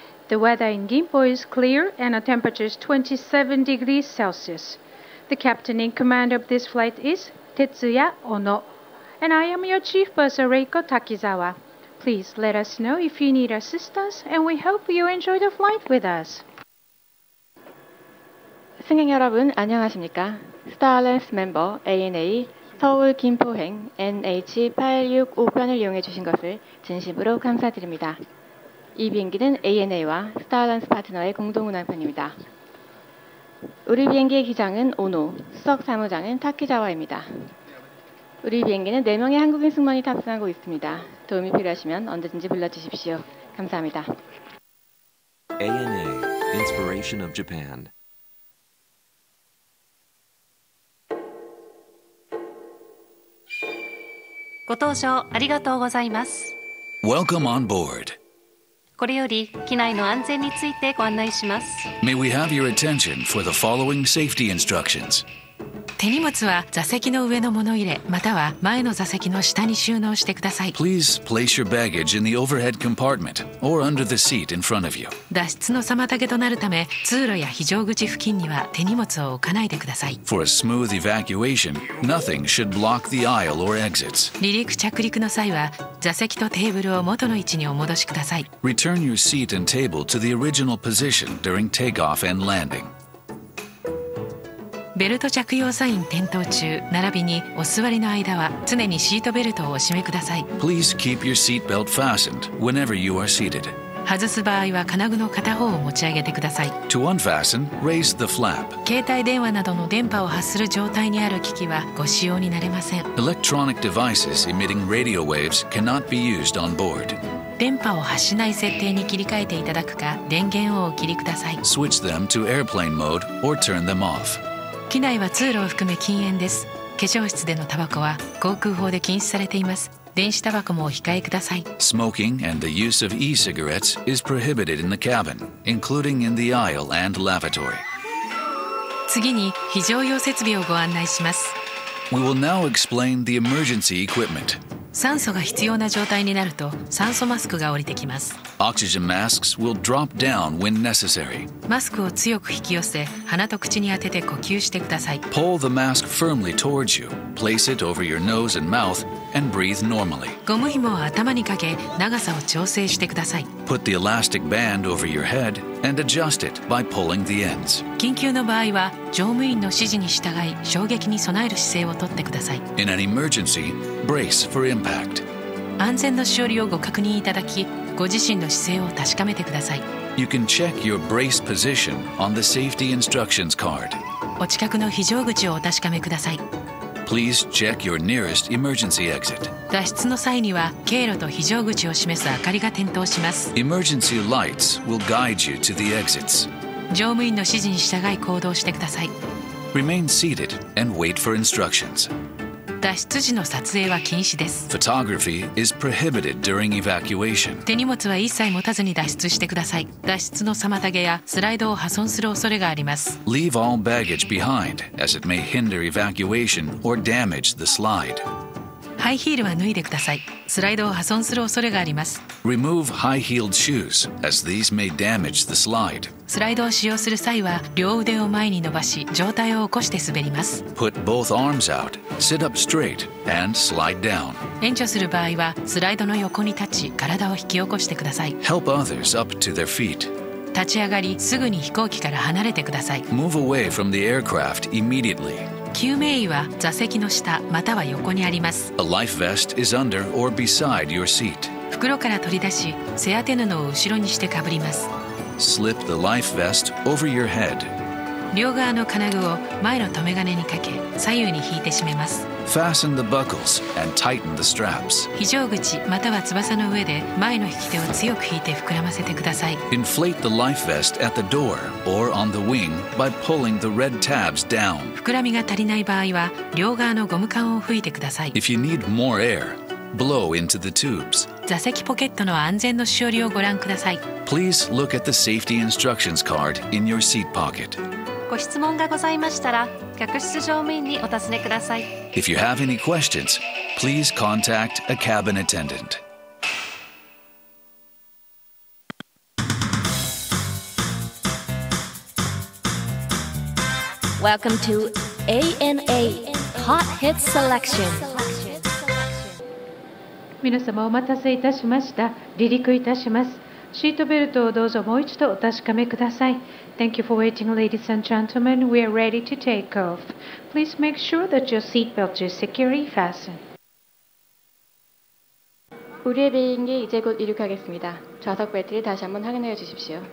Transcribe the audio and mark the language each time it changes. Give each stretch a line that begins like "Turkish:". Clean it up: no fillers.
English: The weather in Gimpo is clear and the temperature is 27 degrees Celsius. The captain in command of this flight is Tetsuya Ono. And I am your chief purser, Reiko Takizawa. Please let us know if you need assistance, and we hope you enjoy the flight with us.
Korean: 승객 여러분, 안녕하십니까?
English: Star Alliance member ANA
Korean: 서울 김포행 NH865편을 이용해 주신 것을 진심으로 감사드립니다. 이 비행기는 ANA와 Star Alliance 파트너의 공동 운항편입니다. 우리 비행기의 기장은 오노, 수석 사무장은 타키자와입니다. 우리 비행기는 4명의 한국인 승무원이 탑승하고 있습니다. 도움이 필요하시면 언제든지 불러주십시오. 감사합니다.
English: ANA, Inspiration of Japan.
Japanese: ご搭乗ありがとうございます。
English: Welcome on board.
Japanese: これより機内の安全についてご案内します。
English: May we have your attention for the following safety instructions.
Japanese: 手荷物は座席の上の物入れまたは前の座席の下に収納してください。
English: Please place your baggage in the overhead compartment or under the seat in front of you.
Japanese: 脱出の妨げとなるため通路や非常口付近には手荷物を置かないでください。
English: For a smooth evacuation, nothing should block the aisle or exits.
Japanese: 離陸着陸の際は座席とテーブルを元の位置にお戻しください。
English: Return your seat and table to the original position during takeoff and landing.
Japanese: ベルト着用サイン点灯中並びにお座りの間は常にシートベルトをお締めください。
English: Please keep your seat belt fastened whenever you are seated.
Japanese: 外す場合は金具の片方を持ち上げてください。
English: To unfasten, raise the flap.
Japanese: 携帯電話などの電波を発する状態にある機器はご使用になれません。
English: Electronic devices emitting radio waves cannot be used on board.
Japanese: 電波を発しない設定に切り替えていただくか電源をお切りください。
English: Switch them to airplane mode or turn them off.
Japanese: 機内は通路を含め禁煙です。化粧室でのタバコは航空法で禁止されています。電子タバコもお控えください。
English: Smoking and the use of e-cigarettes is prohibited in the cabin, including in the aisle and lavatory.
Japanese: 次に非常用設備をご案内します。
English: We will now explain the emergency equipment.
Japanese: 酸素が必要な状態になると酸素マスクが降りてきます。
English: Oxygen masks will drop down when necessary.
Japanese: マスクを強く引き寄せ鼻と口に当てて呼吸してください。
English: Pull the mask firmly towards you. Place it over your nose and mouth and breathe normally.
Japanese: ゴム紐を頭にかけ長さを調整してください。
English: put the elastic band over your head and adjust it by pulling the ends.
Japanese: 緊急の場合は乗務員の指示に従い衝撃に備える姿勢をとってください。
English: In an emergency, brace for impact.
Japanese: 安全のしおりをご確認いただき、ご自身の姿勢を確かめてください。
English: You can check your brace position on the safety instructions card.
Japanese: お近くの非常口をお確かめください。
English: Please check your nearest emergency exit.
Japanese: 脱出の際には経路と非常口を示す明かりが点灯します。
English: Emergency lights will guide you to the exits.
Japanese: 乗務員の指示に従い行動してください。
English: Remain seated and wait for instructions.
Japanese: 脱出時の撮影は禁止です。
English: Photography is prohibited during evacuation.
Japanese: 手荷物は一切持たずに脱出してください。脱出の妨げやスライドを破損する恐れがあります。
English: Leave all baggage behind, as it may hinder evacuation or damage the slide.
Japanese: ハイヒールは脱いでください。スライドを破損する恐れがあります。
English: Remove high-heeled shoes, as these may damage the slide.
Japanese: スライドを使用する際は両腕を前に伸ばし上体を起こして滑ります。
English: Put both arms out, sit up straight, and slide down.
Japanese: 援助する場合はスライドの横に立ち体を引き起こしてください。
English: Help others up to their feet.
Japanese: 立ち上がりすぐに飛行機から離れてください。
English: Move away from the aircraft immediately.
Japanese: 救命衣は座席の下または横にあります。
English: A life vest is under or beside your seat.
Japanese: 袋から取り出し背当て布を後ろにしてかぶります。
English: Slip the life vest over your head.
Japanese: 両側の金具を前の留め金にかけ、左右に引いて締めます。
English: Fasten the buckles and tighten the straps.
Japanese: 非常口または翼の上で前の引き手を強く引いて膨らませてください。
English: Inflate the life vest at the door or on the wing by pulling the red tabs down.
Japanese: 膨らみが足りない場合は両側のゴム管を吹いてください。
English: If you need more air, blow into the tubes.
Japanese: 座席ポケットの安全のしおりをご覧ください。
English: Please look at the safety instructions card in your seat pocket.
Japanese: ご質問がございましたら、客室乗務員にお尋ねください。
English: If you have any questions, please contact a cabin attendant. Welcome to ANA Hot Hit Selection.
Japanese: 皆様お待たせいたしました。離陸いたします。シートベルトをどうぞもう一度お確かめください。
English: Thank you for waiting, ladies and gentlemen. We are ready to take off. Please make sure that your seat belt is securely fastened.
Korean: 우리의 비행기 이제 곧 이륙하겠습니다. 좌석 벨트를 다시 한번 확인해 주십시오.